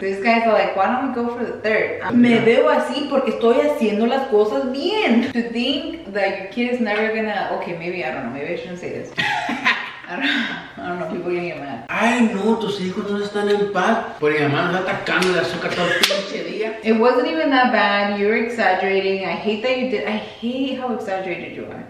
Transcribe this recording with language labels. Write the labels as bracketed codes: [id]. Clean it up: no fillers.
[en] These guys are like, why don't we go for the third? [es] Me veo así porque estoy haciendo las cosas bien. [en] To think that your kid is never gonna, okay, maybe, I don't know, maybe I shouldn't say this. It wasn't even that bad. You're exaggerating. I hate that you did. I hate how exaggerated you are.